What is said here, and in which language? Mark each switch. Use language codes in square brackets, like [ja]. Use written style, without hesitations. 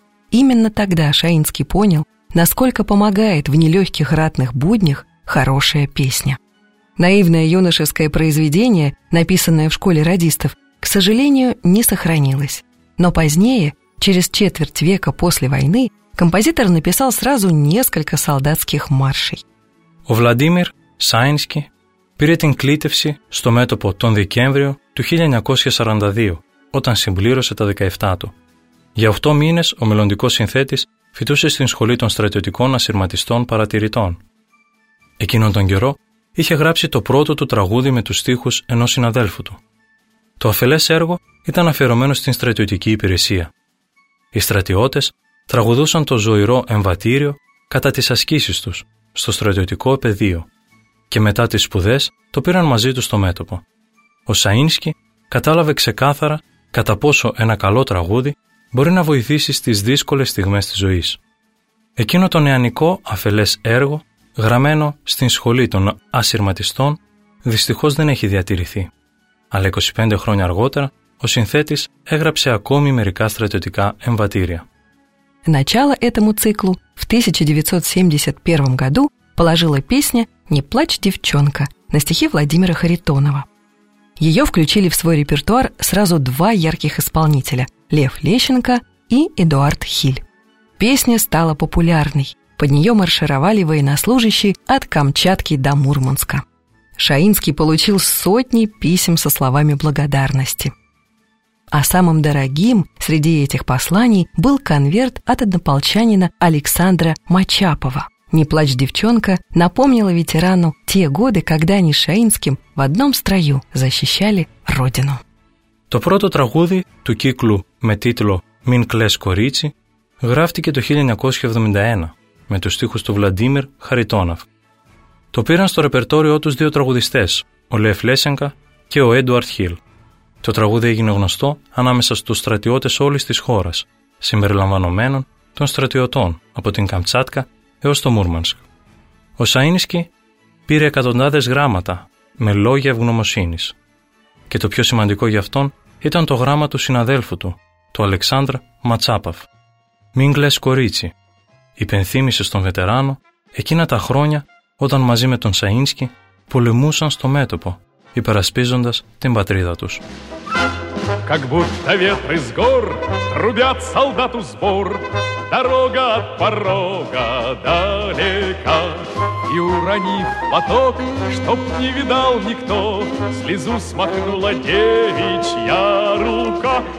[ru] Именно тогда Шаинский понял, насколько помогает в нелегких ратных буднях хорошая песня. Наивное юношеское произведение, написанное в школе радистов, к сожалению, не сохранилось. Но позднее, через четверть века после войны, композитор написал сразу несколько солдатских маршей. [el] Владимир Шаинский [ru] перед [el] την клитевση στο μέτωπο τον Δεκέμβριο του 1942. Όταν συμπλήρωσε τα 17 του. Για 8 μήνες ο μελλοντικός συνθέτης φοιτούσε στην σχολή των στρατιωτικών ασυρματιστών παρατηρητών. Εκείνον τον καιρό είχε γράψει το πρώτο του τραγούδι με τους στίχους ενός συναδέλφου του. Το αφελές έργο ήταν αφιερωμένο στην στρατιωτική υπηρεσία. Οι στρατιώτες τραγουδούσαν το ζωηρό εμβατήριο κατά τις ασκήσεις τους στο στρατιωτικό πεδίο και μετά τις σπουδές το πήραν μαζί τους στο μέτωπο. Ο Σαΐνσκι κατάλαβε ξεκάθαρα κατά πόσο ένα καλό τραγούδι μπορεί να βοηθήσει στις δύσκολες στιγμές της ζωής. Εκείνο το νεανικό αφελές έργο, γραμμένο στην σχολή των ασυρματιστών, δυστυχώς δεν έχει διατηρηθεί. Αλλά 25 χρόνια αργότερα, ο συνθέτης έγραψε ακόμη μερικά στρατιωτικά εμβατήρια. [ru] Начало этому циклу в 1971 году положила песня «Не плачь, девчонка» на стихи Владимира Харитонова. Ее включили в свой репертуар сразу два ярких исполнителя – Лев Лещенко и Эдуард Хиль. Песня стала популярной. Под нее маршировали военнослужащие от Камчатки до Мурманска. Шаинский получил сотни писем со словами благодарности. А самым дорогим среди этих посланий был конверт от однополчанина Александра Мачапова. «Не плачь, девчонка» напомнила ветерану те годы, когда они с Шаинским в одном строю защищали Родину. [el] Το πρώτο τραγούδι του κύκλου με τίτλο «Μην κλαις, κορίτσι» γράφτηκε το 1971 με τους στίχους του Βλαντίμιρ Χαριτόναβ. Το πήραν στο ρεπερτόριό τους δύο τραγουδιστές, ο Λεφ Λέσενκα και ο Έντουαρτ Χιλ. Το τραγούδι έγινε γνωστό ανάμεσα στους στρατιώτες όλης της χώρας, συμπεριλαμβανομένων των στρατιωτών από την Καμτσάτκα έως το Μούρμανσκ. Ο Σαΐνισκι πήρε εκατοντάδες γράμματα με λόγια ευγνωμοσύνης. Και το πιο σημαντικό για αυτόν ήταν το γράμμα του συναδέλφου του, του Αλεξάνδρ Ματσάπαφ. «Μην κλαις, κορίτσι», υπενθύμησε στον βετεράνο εκείνα τα χρόνια όταν μαζί με τον Σαΐνισκι πολεμούσαν στο μέτωπο, υπερασπίζοντας την πατρίδα τους. [ru] Как будто ветры с гор трубят солдату сбор, дорога от порога далека. И уронив поток, чтоб не видал никто, слезу смахнула девичья рука.